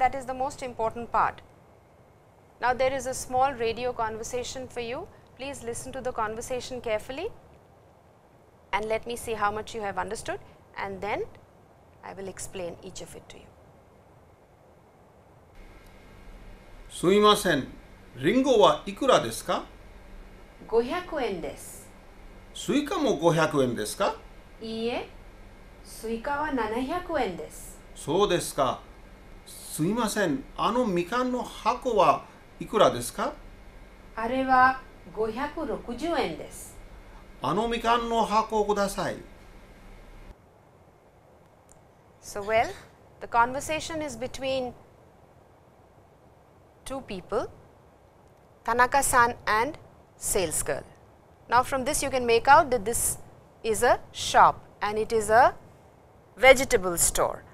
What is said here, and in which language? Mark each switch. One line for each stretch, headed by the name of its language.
English: That is the most important part. Now there is a small radio conversation for you. Please listen to the conversation carefully and let me see how much you have understood, and then I will explain each of it to you.
Japanese: すみません。リンゴはいくらですか ?500円です。スイカも500円ですか ?いいえ。スイカは700円です。そうですか。すみません。あのみかんの箱はいくらですか ?あれは560円です。あのみかんの箱をください。
English: So well, the conversation is between two people, Tanaka-san and sales girl. Now from this you can make out that this is a shop and it is a vegetable store.